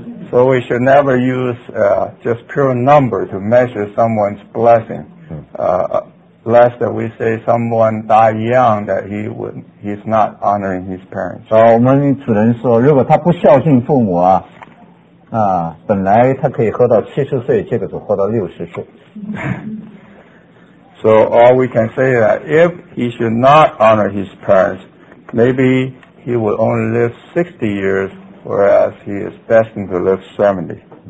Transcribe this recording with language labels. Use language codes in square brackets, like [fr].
[en] So we should never use just pure number to measure someone's blessing, lest that we say someone die young that he's not honoring his parents. [zh] 所以我们只能说，如果他不孝敬父母啊。本来他可以活到70岁，结果只活到60岁。 [en] So all we can say is that if he should not honor his parents, maybe he will only live 60 years, whereas he is destined to live 70.